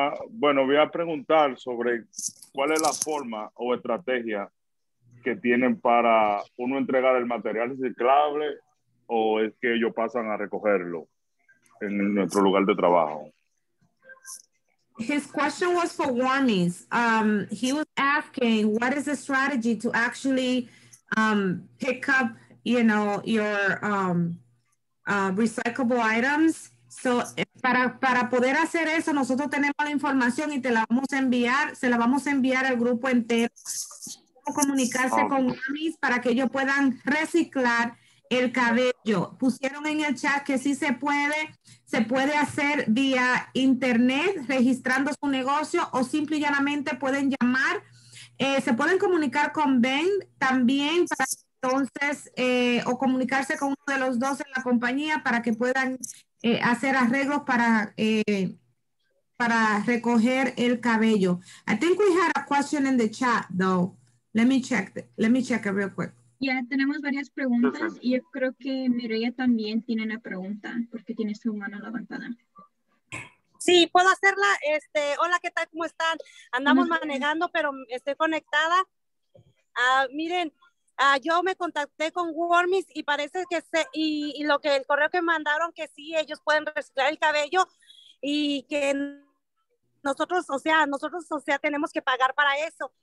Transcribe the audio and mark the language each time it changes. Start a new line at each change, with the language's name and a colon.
Spanish: Bueno, voy a preguntar sobre cuál es la forma o estrategia que tienen para uno entregar el material reciclable o es que ellos pasan a recogerlo en nuestro lugar de trabajo.
English: His question was for Warmies. He was asking what is the strategy to actually pick up, you know, your recyclable items.
Spanish: So para poder hacer eso, nosotros tenemos la información y te la vamos a enviar, se la vamos a enviar al grupo entero. Comunicarse con Warmies para que ellos puedan reciclar el cabello. Pusieron en el chat que sí se puede hacer vía internet registrando su negocio o simple y llanamente pueden llamar, se pueden comunicar con Ben también para entonces o comunicarse con uno de los dos en la compañía para que puedan hacer arreglos para recoger el cabello.
English: I think we had a question in the chat though. Let me check it real quick.
Spanish: Yeah, tenemos varias preguntas. Y yo creo que Mireya también tiene una pregunta porque tiene su mano levantada. Sí, puedo hacerla. Hola, ¿qué tal? ¿Cómo están? Andamos manejando, pero estoy conectada. Miren, yo me contacté con Warmies y parece que sé, y lo que el correo que mandaron, que sí, ellos pueden reciclar el cabello y que nosotros, tenemos que pagar para eso.